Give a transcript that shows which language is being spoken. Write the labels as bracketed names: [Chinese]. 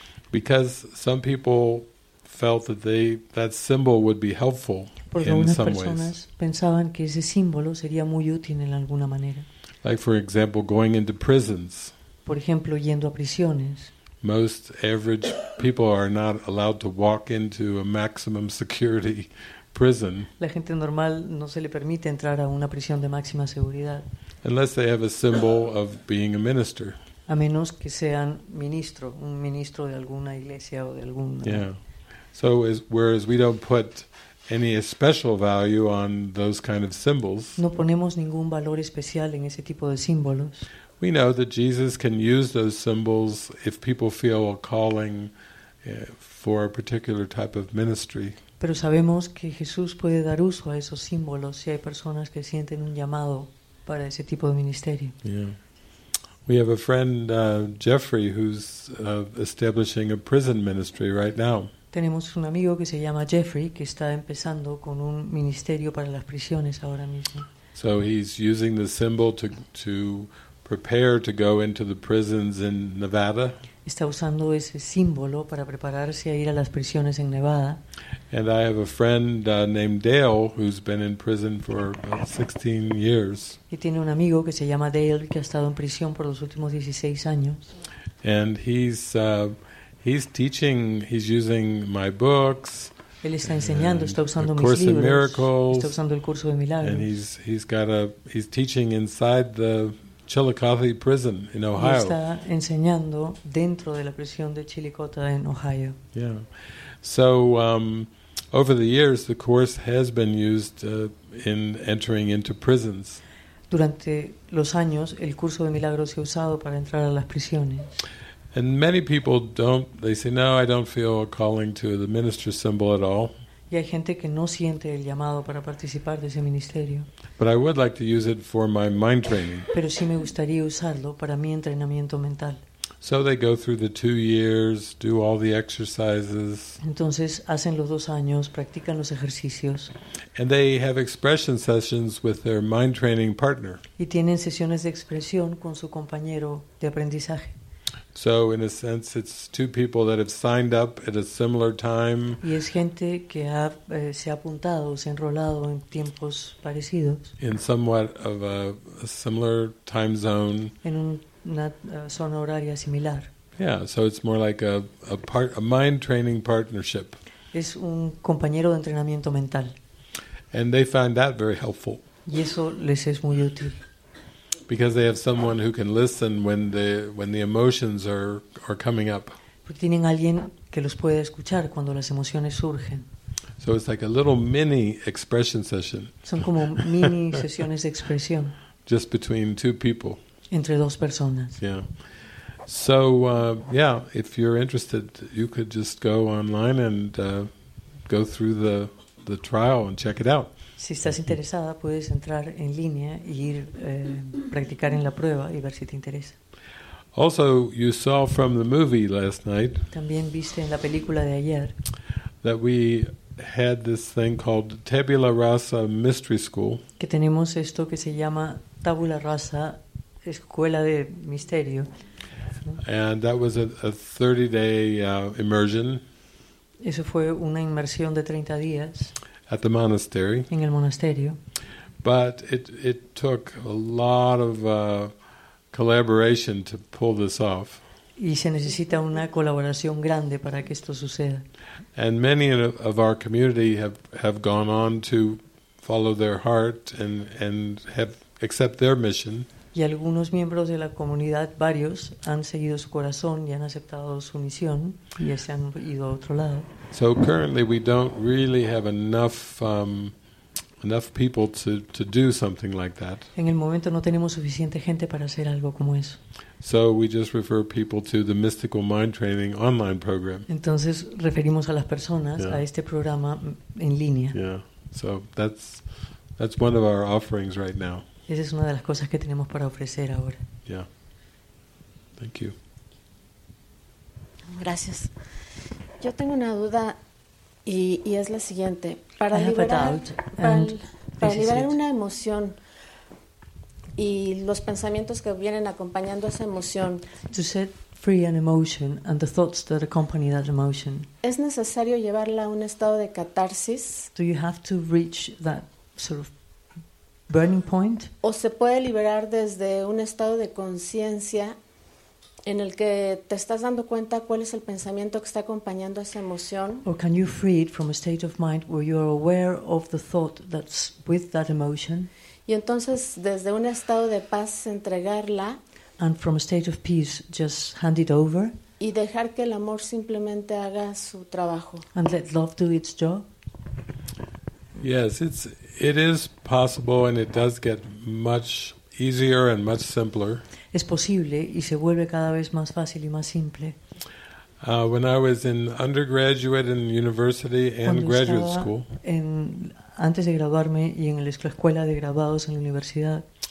[English] Because some people felt that that symbol would be helpful in some ways. [Spanish] Pensaban que ese símbolo sería muy útil en alguna manera. [English] Like, for example, going into prisons. [Spanish] Por ejemplo, yendo a prisiones. [English] Most average people are not allowed to walk into a maximum security prison. [Spanish] La gente normal no se le permite entrar a una prisión de máxima seguridad. [English] Unless they have a symbol of being a minister. [Spanish] A menos que sean ministro, un ministro de alguna iglesia o de algún. [English] Yeah. So whereas we don't put any special value on those kind of symbols. [Spanish] No ponemos ningún valor especial en ese tipo de símbolos. [English] We know that Jesus can use those symbols if people feel a calling for a particular type of ministry. [Spanish] Pero sabemos que Jesús puede dar uso a esos símbolos si hay personas que sienten un llamado para ese tipo de ministerio. [English] Yeah. We have a friend, Jeffrey, who's establishing a prison ministry right now. [Spanish] Tenemos un amigo que se llama Jeffrey que está empezando con un ministerio para las prisiones ahora mismo. [English] So he's using the symbol to prepare to go into the prisons in Nevada. [Spanish] Está usando ese símbolo para prepararse a ir a las prisiones en Nevada. [English] And I have a friend named Dale who's been in prison for 16 years. [Spanish] Y tiene un amigo que se llama Dale que ha estado en prisión por los últimos 16 años. [English] And he's teaching, he's using my books. [Spanish] Él está enseñando, está usando mis libros. Of Course in Miracles. Está usando el curso de milagros. [English] And he's teaching inside the Chillicothe prison in Ohio. [Spanish] Está enseñando dentro de la prisión de Chillicothe en Ohio. [English] Yeah. So over the years the course has been used in entering into prisons. [Spanish] Durante los años el curso de milagros se ha usado para entrar a las prisiones. [English] And many people don't, they say, no, I don't feel a calling to the minister symbol at all. [Spanish] Y hay gente que no siente el llamado para participar de ese ministerio. [English] But I would like to use it for my mind training. [Spanish] Pero sí me gustaría usarlo para mi entrenamiento mental. [English] So they go through the 2 years, do all the exercises. [Spanish] Entonces hacen los 2 años, practican los ejercicios. [English] And they have expression sessions with their mind training partner. [Spanish] Y tienen sesiones de expresión con su compañero de aprendizaje. [English] So in a sense it's 2 people that have signed up at a similar time. [Spanish] Y es gente que ha se ha apuntado, se ha enrolado en tiempos parecidos. [English] In somewhat of a similar time zone. [Spanish] En una zona horaria similar. [English] Yeah, so it's more like a mind training partnership. [Spanish] Es un compañero de entrenamiento mental. [English] And they find that very helpful. [Spanish] Y eso les es muy útil. [English] Because they have someone who can listen when the emotions are coming up. [Spanish] Porque tienen alguien que los puede escuchar cuando las emociones surgen. [English] So it's like a little mini expression session. [Spanish] Son como mini sesiones de expresión. [English] Just between 2 people. [Spanish] Entre 2 personas. [English] Yeah. So yeah, if you're interested, you could just go online and go through the trial and check it out. [Spanish] Si estás interesada, puedes entrar en línea y ir practicar en la prueba y ver si te interesa. [English] Also, you saw from the movie last night. [Spanish] También viste en la película de ayer. [English] That we had this thing called Tabula Rasa Mystery School. [Spanish] Que tenemos esto que se llama Tabula Rasa, escuela de misterio. [English] And that was a 30-day immersion. [Spanish] Eso fue una inmersión de 30 días. [English] At the monastery. [Spanish] En el monasterio. [English] But it took a lot of collaboration to pull this off. [Spanish] Y se necesita una colaboración grande para que esto suceda. [English] And many of our community have gone on to follow their heart and have accept their mission. [Spanish] Y algunos miembros de la comunidad, varios, han seguido su corazón y han aceptado su misión y se han ido a otro lado. [English] So currently we don't really have enough people to do something like that. [Spanish] En el momento no tenemos suficiente gente para hacer algo como eso. [English] So we just refer people to the Mystical Mind Training online program. [Spanish] Entonces referimos a las personas a este programa en línea. [English] Yeah. So that's one of our offerings right now. [Spanish] Esa es una de las cosas que tenemos para ofrecer ahora. [English] Yeah. Thank you. [Spanish] Gracias. Yo tengo una duda y es la siguiente. Para liberar una emoción y los pensamientos que vienen acompañando esa emoción. [English] To set free an emotion and the thoughts that accompany that emotion. [Spanish] ¿Es necesario llevarla a un estado de catarsis? [English] Do you have to reach that sort of burning point. [Spanish] O se puede liberar desde un estado de conciencia en el que te estás dando cuenta cuál es el pensamiento que está acompañando esa emoción. [English] Or can you free it from a state of mind where you are aware of the thought that's with that emotion? [Spanish] Y entonces desde un estado de paz entregarla. [English] And from a state of peace just hand it over. [Spanish] Y dejar que el amor simplemente haga su trabajo. [English] And let love do its job. Yes, it is possible, and it does get much easier and much simpler. [Spanish] Es posible y se vuelve cada vez más fácil y más simple. [English] When I was in undergraduate in university and graduate school, [Spanish] antes de graduarme y en la escuela de graduados en la universidad,